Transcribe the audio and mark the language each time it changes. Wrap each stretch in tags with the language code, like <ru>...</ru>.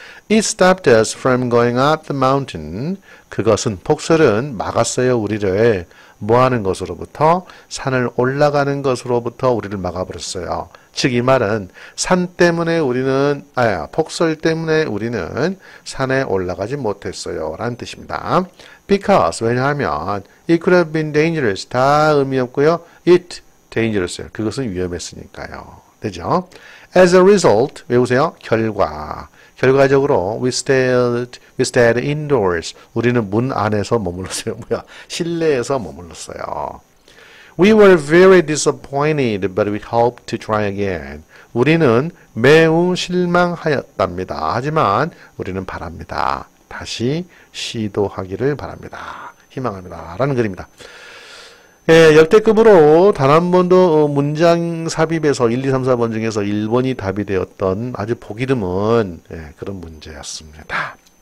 <en>It stopped us from going up the mountain.</en> <ko>그것은 폭설은 막았어요. 우리를 뭐 하는 것으로부터 산을 올라가는 것으로부터 우리를 막아버렸어요. 즉이 말은 산 때문에 우리는 아야 폭설 때문에 우리는 산에 올라가지 못했어요. 라는 뜻입니다. Because 왜냐하면</ko> <en>it could have been dangerous</en> <ko>다 의미 없고요.</ko> <en>It dangerous</en> <ko>그것은 위험했으니까요. 되죠?</ko> <en>As a result,</en> <ko>외우세요. 결과. 결과적으로</ko> <en>we stayed indoors.</en> <ko>우리는 문 안에서 머물렀어요. 뭐야? 실내에서 머물렀어요.</ko> <en>We were very disappointed, but we hoped to try again.</en> <ko>우리는 매우 실망하였답니다. 하지만 우리는 바랍니다. 다시 시도하기를 바랍니다. 희망합니다라는 글입니다. 예, 역대급으로 단한 번도 문장 삽입에서 1, 2, 3, 4번 중에서 1번이 답이 되었던 아주 보기 드문 예, 그런 문제였습니다.</ko>